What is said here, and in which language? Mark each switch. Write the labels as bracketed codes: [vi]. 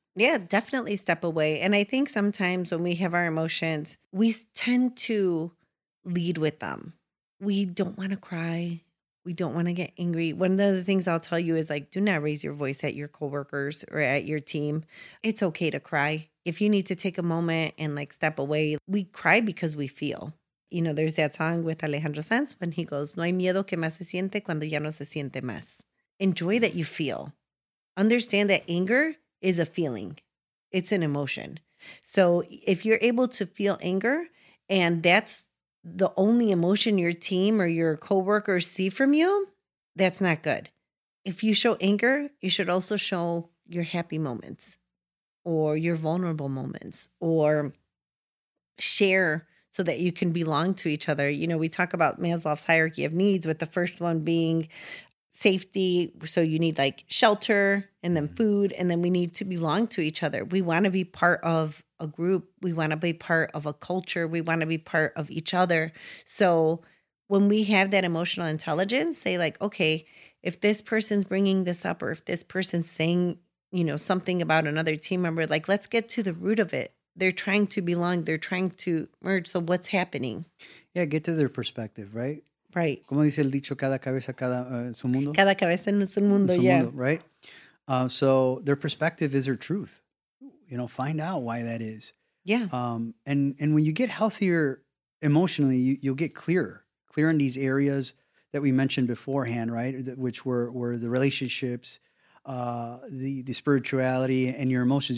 [en] Yeah, definitely step away. And I think sometimes when we have our emotions, we tend to lead with them. We don't want to cry. We don't want to get angry. One of the things I'll tell you is like, do not raise your voice at your coworkers or at your team. It's okay to cry. If you need to take a moment and like step away, we cry because we feel. You know, there's that song with Alejandro Sanz when he goes, [es] no hay miedo que más se siente cuando ya no se siente más. [en] Enjoy that you feel. Understand that anger is a feeling. It's an emotion. So if you're able to feel anger and that's the only emotion your team or your coworkers see from you, that's not good. If you show anger, you should also show your happy moments or your vulnerable moments or share so that you can belong to each other. You know, we talk about Maslow's hierarchy of needs with the first one being safety. So you need like shelter and then food. And then we need to belong to each other. We want to be part of a group. We want to be part of a culture. We want to be part of each other. So when we have that emotional intelligence, say like, okay, if this person's bringing this up, or if this person's saying, you know, something about another team member, like, let's get to the root of it. They're trying to belong. They're trying to merge. So what's happening? Yeah. Get to their perspective, right? Right. [es] Como dice el dicho, cada cabeza, cada su mundo. Cada cabeza en su mundo, yeah. Mundo, [en] right? So their perspective is their truth. You know, find out why that is. Yeah. And when you get healthier emotionally, you'll get clear on these areas that we mentioned beforehand, right? Which were the relationships, the spirituality and your emotions.